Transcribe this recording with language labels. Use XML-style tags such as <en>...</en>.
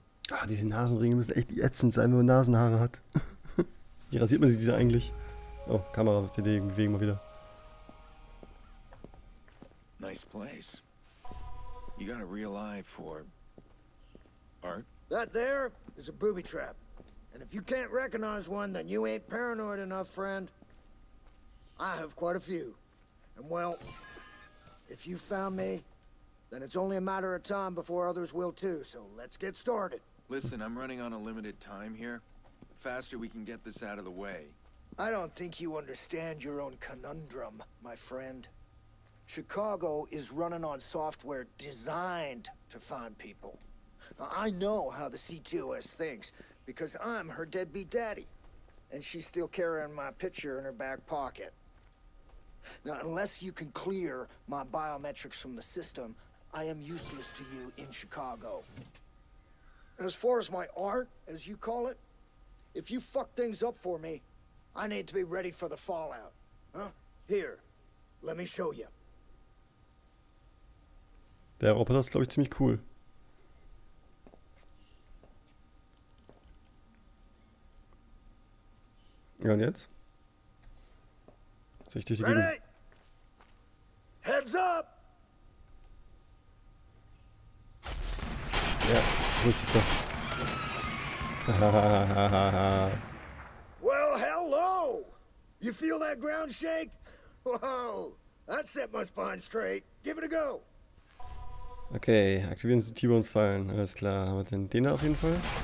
<de>Ah, diese Nasenringe müssen echt ätzend sein, wenn man Nasenhaare hat. Wie rasiert man sich diese eigentlich? Oh, Kamera, wir bewegen mal wieder.</de> <en>Nice place. You got a real eye for art? That there is a booby trap. And if you can't recognize one, then you ain't paranoid enough, friend. I have quite a few. And well, if you found me, then it's only a matter of time before others will too. So let's get started. Listen, I'm running on a limited time here. Faster we can get this out of the way. I don't think you understand your own conundrum, my friend. Chicago is running on software designed to find people. Now, I know how the C2S thinks, because I'm her deadbeat daddy. And she's still carrying my picture in her back pocket. Now, unless you can clear my biometrics from the system, I am useless to you in Chicago. As far as my art, as you call it, if you fuck things up for me, I need to be ready for the fallout. Huh? Here, let me show you.</en> <de>Der Roboter ist, glaube ich, ziemlich cool. Ja, und jetzt? Soll ich durch die Gegend?</de> <en>Ready? Heads up!</en> <de>Ja, wo ist es doch?</de> <en>Well, hello! You feel that ground shake? Whoa! That set my spine straight. Give it a go!</en> <de>Okay, aktivieren Sie die T-Bones-Fallen. Alles klar, haben wir den da auf jeden Fall?</de>